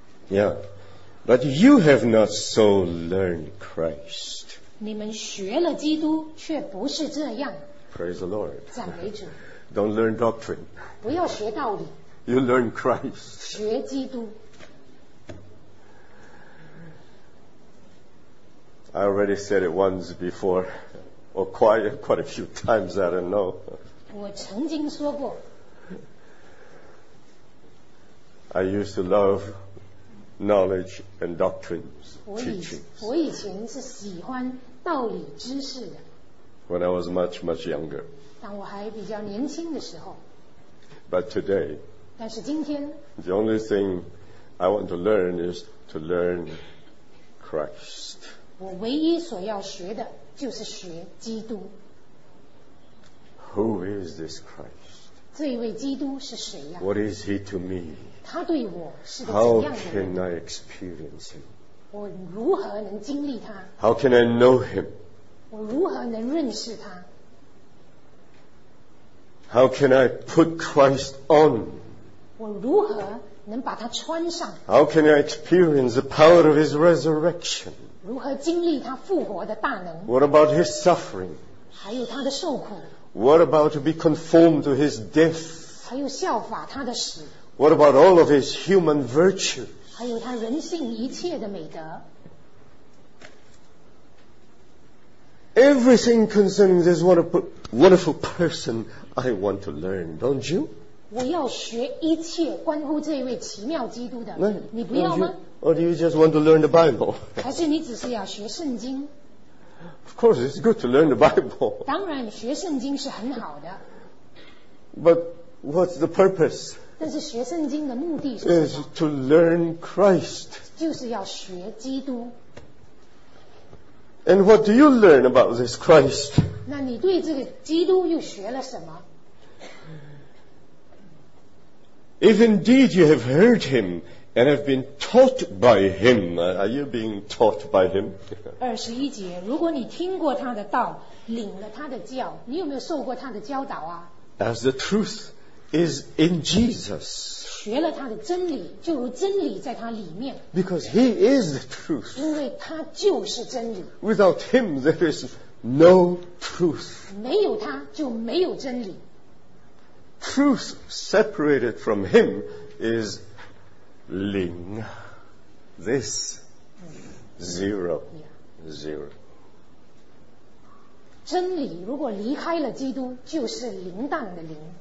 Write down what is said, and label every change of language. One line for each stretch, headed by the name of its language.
English: Yeah, but you have not so learned Christ.
Chinese: 你们学了基督却不是这样
English: Praise the Lord.
Chinese: 赞美主
English: Don't learn doctrine.
Chinese: 不要学道理
English: You learn Christ.
Chinese: 学基督
English: I already said it once before, or quite a few times, I don't know.
Chinese: 我曾经说过。
English: I used to love knowledge and doctrines, teachings.
Chinese: 我以前是喜欢道理知识的。
English: When I was much, much younger.
Chinese: 当我还比较年轻的时候。
English: But today,
Chinese: 但是今天,
English: the only thing I want to learn is to learn Christ.
Chinese: 我唯一所要学的就是学基督。
English: Who is this Christ?
Chinese: 这位基督是谁呀？
English: What is he to me?
Chinese: 他对我是个怎样的人？
English: How can I experience him?
Chinese: 我如何能经历他？
English: How can I know him?
Chinese: 我如何能认识他？
English: How can I put Christ on?
Chinese: 我如何能把他穿上？
English: How can I experience the power of his resurrection?
Chinese: 如何经历他复活的大能
English: ？What about his suffering？
Chinese: 还有他的受苦。
English: What about to be conformed to his death？
Chinese: 还有效法他的死。
English: What about all of his human virtues？
Chinese: 还有他人性一切的美德。
English: Everything concerning this wonderful person, I want to learn, don't you？
Chinese: 我要学一切关乎这位奇妙基督的，你不要吗？
English: Or do you just want to learn the Bible?
Chinese: 还是你只是要学圣经？
English: Of course, it's good to learn the Bible.
Chinese: 当然，学圣经是很好的。
English: But what's the purpose?
Chinese: 但是学圣经的目的是什么？
English: Is to learn Christ.
Chinese: 就是要学基督。
English: And what do you learn about this Christ?
Chinese: 那你对这个基督又学了什么？
English: If indeed you have heard him and have been taught by him, are you being taught by him?
Chinese: 21节，如果你听过他的道，领了他的教，你有没有受过他的教导啊？
English: As the truth is in Jesus.
Chinese: 学了他的真理，就如真理在他里面。
English: Because he is the truth.
Chinese: 因为他就是真理。
English: Without him, there is no truth.
Chinese: 没有他就没有真理。
English: Truth separated from him is零 this zero zero
Chinese: 真理如果离开了基督就是零当的零